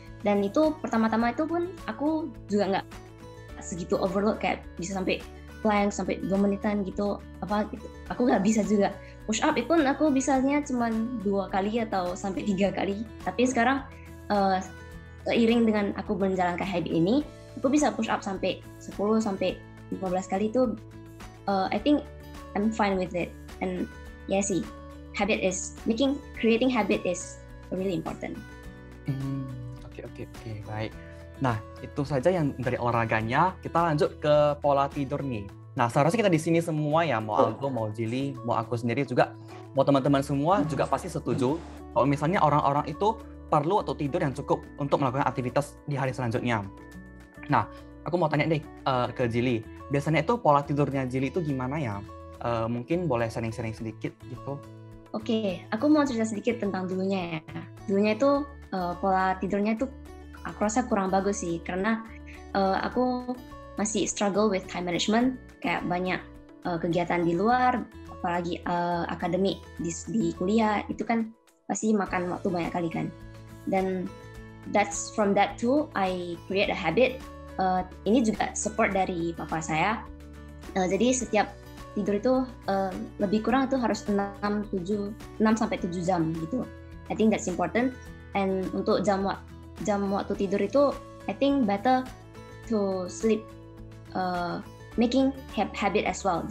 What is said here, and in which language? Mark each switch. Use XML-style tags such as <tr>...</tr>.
<id>Dan itu pertama-tama itu pun aku juga nggak segitu overload, kayak bisa sampai plank sampai 2 menitan gitu apa gitu. Aku nggak bisa juga. Push up pun aku bisanya cuma 2 kali atau sampai 3 kali. Tapi sekarang seiring dengan aku menjalankan habit ini, aku bisa push up sampai 10 sampai 15 kali itu.</id> <en>I think I'm fine with it. And</en> <id>ya sih,</id> <en>creating habit is really important.</en> <id>Oke, baik. Nah, itu saja yang dari olahraganya. Kita lanjut ke pola tidur nih. Nah, seharusnya kita di sini semua ya, mau Aldo, mau Jili, mau aku sendiri juga, mau teman-teman semua juga pasti setuju kalau misalnya orang-orang itu perlu atau tidur yang cukup untuk melakukan aktivitas di hari selanjutnya. Nah, aku mau tanya deh ke Jili, biasanya itu pola tidurnya Jili itu gimana ya? Mungkin boleh sharing-sharing sedikit gitu. Oke, aku mau cerita sedikit tentang dulunya ya. Dulunya itu pola tidurnya itu aku rasa kurang bagus sih, karena aku masih</id> <en>struggle with time management.</en> <id>kayak banyak kegiatan di luar, apalagi akademik di kuliah, itu kan pasti makan waktu banyak kali kan.</id> <en>Dan that's from that too, I create a habit.</en> <id>Ini juga support dari papa saya. Jadi setiap tidur itu lebih kurang itu harus 6 sampai 7 jam gitu.</id> <en>I think that's important. And</en> <id>untuk jam waktu tidur itu,</id> <en>I think better to sleep making habit as well.</en>